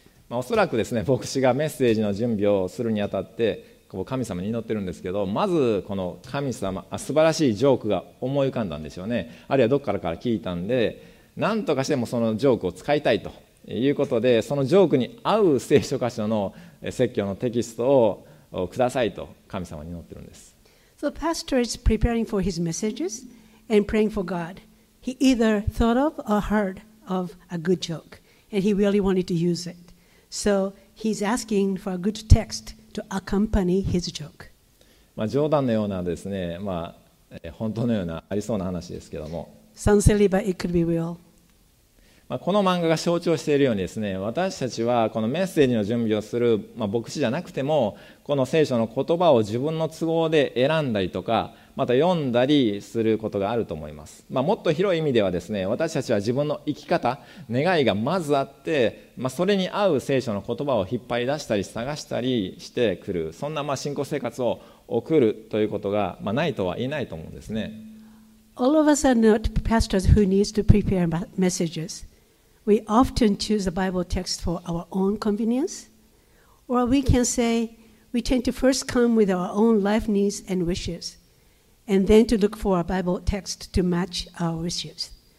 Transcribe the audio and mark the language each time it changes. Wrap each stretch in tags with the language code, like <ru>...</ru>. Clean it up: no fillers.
<ja>おそらくですね、牧師がメッセージの準備をするにあたってこう神様に祈ってるんですけど、まずこの神様、素晴らしいジョークが思い浮かんだんでしょうね。あるいはどっからから聞いたんで、なんとかしてもそのジョークを使いたいということで、そのジョークに合う聖書箇所の説教のテキストをくださいと神様に祈ってるんです。</ja> <en>So the pastor is preparing for his messages and praying for God. He either thought of or heard of a good joke and he really wanted to use itSo he's asking for a good text to accompany his joke.</en> <ja>まあ冗談のようなですね、まあ本当のようなありそうな話ですけども。</ja> <en>Sounds silly, but it could be real.</en> <ja>まあこの漫画が象徴しているようにですね、私たちはこのメッセージの準備をする、まあ、牧師じゃなくても、この聖書の言葉を自分の都合で選んだりとか、また読んだりすることがあると思います。まあ、もっと広い意味ではですね、私たちは自分の生き方、願いがまずあって、まあ、それに合う聖書の言葉を引っ張り出したり探したりしてくる、そんなまあ信仰生活を送るということがまあないとは言えないと思うんですね。</ja> <en>All of us are not pastors who needs to prepare messages. We often choose the Bible text for our own convenience, or we can say we tend to first come with our own life needs and wishes. And then to look for a Bible text to match our wishes.</en>